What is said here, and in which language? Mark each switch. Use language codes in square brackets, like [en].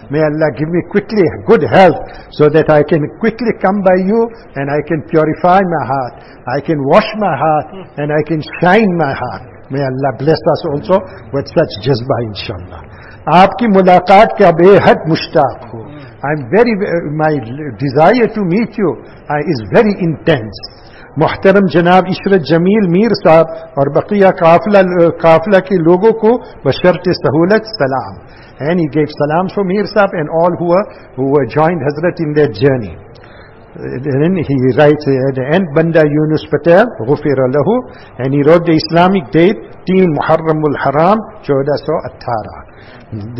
[en] May Allah give me quickly good health so that I can quickly come by you and I can purify my heart. I can wash my heart and I can shine my heart. May Allah bless us also with such jazba, inshallah. Aapki mulaqat ka behad mushtaq ho. I'm very, my desire to meet you is very intense. [ur] محترم جناب عشرت جمیل میر صاحب اور بقیہ قافلہ کے لوگوں کو بشرط سہولت سلام. [en] And he gave salams for Mir Sahib and all who were joined Hazrat in their journey. Then he writes at the end, Banda Yunus Patel, غفر له. And he wrote the Islamic date, 3 محرم الحرام 1418.